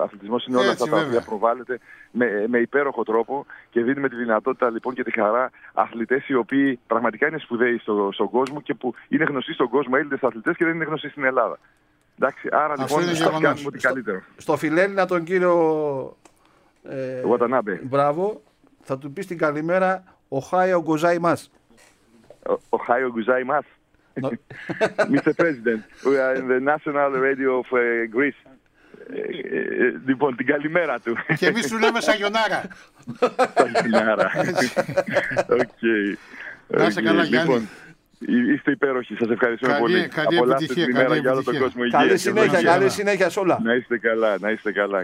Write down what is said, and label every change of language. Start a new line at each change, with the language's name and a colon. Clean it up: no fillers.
Greek: Ο αθλητισμός είναι όλα αυτά τα οποία προβάλλεται με υπέροχο τρόπο, και δίνουμε τη δυνατότητα λοιπόν και τη χαρά αθλητές οι οποίοι πραγματικά είναι σπουδαίοι στον κόσμο και που είναι γνωστοί στον κόσμο, Έλληνες αθλητές, και δεν είναι γνωστοί στην Ελλάδα. Εντάξει, άρα λοιπόν θα κάνουμε ό,τι καλύτερο. Στο φιλέλληνα τον κύριο Γουατανάμπε. Μπράβο, θα του πει την καλημέρα ο Χάιο Γκουζάι μα. Ο Χάιο Γκουζάι μας. Mr.
English: President, we are in the National Radio of Greece.
Greek: Λοιπόν, την καλημέρα του. Και εμείς σου λέμε σαγιονάρα. Σαγιονάρα. Οκ. Να σε καλά, Γιάννη. Λοιπόν, είστε υπέροχοι, σας ευχαριστούμε πολύ. Καλή επιτυχία, καλή επιτυχία. Για όλο τον κόσμο, καλή συνέχεια, καλή συνέχεια σε όλα. Να είστε καλά, να είστε καλά.